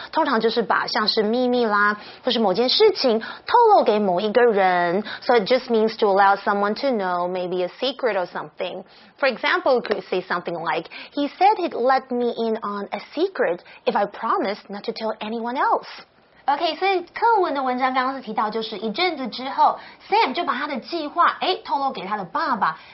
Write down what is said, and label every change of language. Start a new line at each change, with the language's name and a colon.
Chinese: 通常就是把像是秘密啦，或是某件事情透露给某一个人。
English: So it just means to allow someone to know maybe a secret or something. For example, you could say something like, he said he'd let me in on a secret if I promised not to tell anyone else.
Chinese: OK, 所以课文的文章刚刚是提到就是一阵子之后 ,Sam 就把他的计划透露给他的爸爸。